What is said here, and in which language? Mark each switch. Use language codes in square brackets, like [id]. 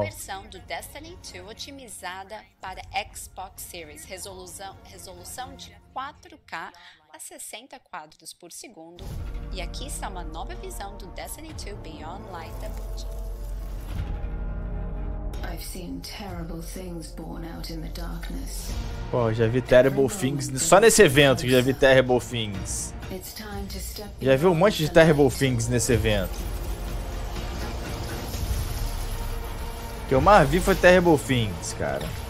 [pt] Versão do Destiny 2 otimizada para Xbox Series, resolução de 4K a 60 quadros por segundo. E aqui está uma nova visão do Destiny 2 Beyond Light da Bungie. [en] I've seen terrible things born out in the darkness. [pt] Pô, já vi [en] terrible things [pt] só nesse evento, que já vi terrible things. Já vi um monte de [en] terrible things [pt] nesse evento. O que eu mais vi foi [en] Terrible Things, [pt] cara.